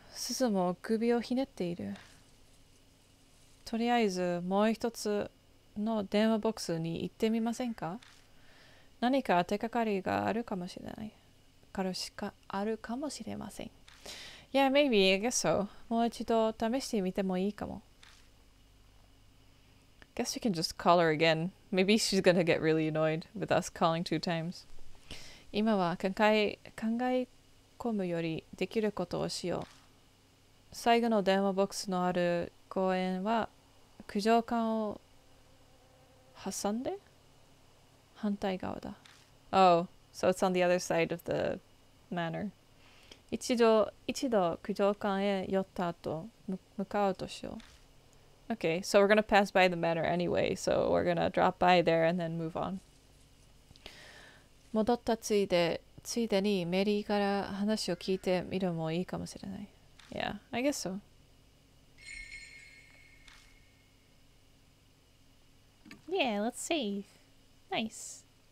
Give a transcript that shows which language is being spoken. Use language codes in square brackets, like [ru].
[ja] 鈴も首をひねっている。とりあえずもう一つの電話ボックスに行ってみませんか。何か手がかりがあるかもしれない。かるしかあるかもしれません。 [en] Yeah, maybe. I guess so. [ja] もう一度試してみてもいいかも。 [en] Guess we can just call her again. Maybe she's gonna get really annoyed with us calling two times. [ja] 今は考え込むよりできることをしよう。最後の電話ボックスのある公園は九条館を挟んで反対側だ。 [en] Oh, so it's on the other side of the manor. [ja] 一度九条館へ寄った後、向かうとしよう。 [en] Okay, so we're gonna pass by the manor anyway, so we're gonna drop by there and then move on. [ja] 戻ったついでにメリーから話を聞いてみるもいいかもしれない。 [en] Yeah, I guess so. Yeah, let's save. Nice.